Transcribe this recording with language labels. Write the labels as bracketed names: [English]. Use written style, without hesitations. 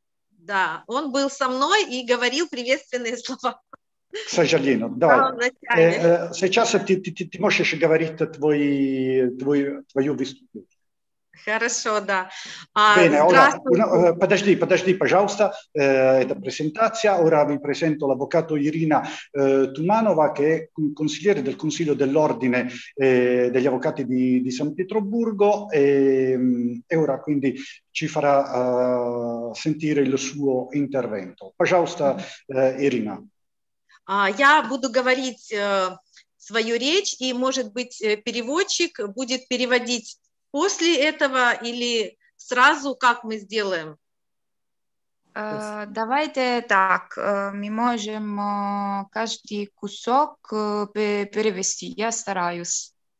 [Russian] Да, он был со мной и говорил приветственные слова. К сожалению, давай. Сейчас ты можешь говорить твою выступление. Хорошо, да. [Italian] Bene, [Russian] подожди, пожалуйста, это презентация. [Italian] Ora vi presento l'avvocato Irina Tumanova, che è consigliere del Consiglio dell'Ordine degli Avvocati di San Pietroburgo e ora quindi ci farà sentire il suo intervento. [Russian] Пожалуйста, Ирина. Я буду говорить свою речь, и, может быть, переводчик будет переводить после этого или сразу, как мы сделаем? Давайте так, [Ukrainian] ми можемо кожен [Russian] кусок перевести, я стараюсь.